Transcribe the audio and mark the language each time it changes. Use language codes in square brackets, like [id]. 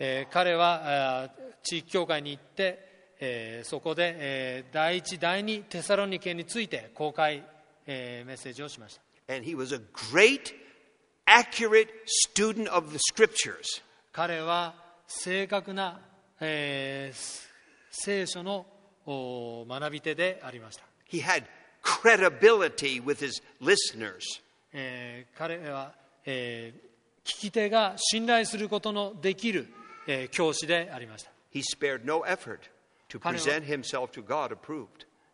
[ja] 彼は、地域教会に行って、そこで、第一第二テサロニケについて公開メッセージをしました。 [en] And he was a great, accurate student of the scriptures. [ja] 彼は正確な、聖書の学び手でありました。 [en] He had credibility with his listeners. [ja] 彼は、聞き手が信頼することのできる、教師でありました。 [en] He spared no effort to present himself to God approved.